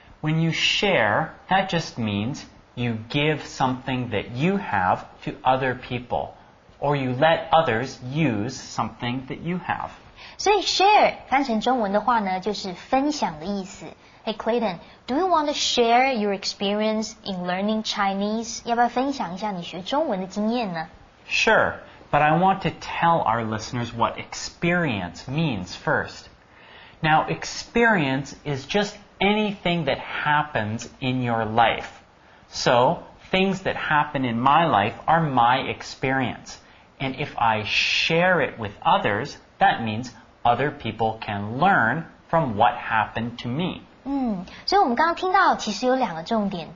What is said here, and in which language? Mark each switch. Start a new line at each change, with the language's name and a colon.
English: When you share, that just means you give something that you have to other people. Or you let others use something that you have.
Chinese: 所以 share 翻成中文的话呢，就是分享的意思。
English: Hey Clayton, do you want to share your experience in learning Chinese?
Chinese: 要不要分享一下你学中文的经验呢?
English: Sure, but I want to tell our listeners what experience means first. Now, experience is just anything that happens in your life. So, things that happen in my life are my experience. And if I share it with others, that means other people can learn from what happened to me.
Chinese: 所以我们刚刚听到其实有两个重点。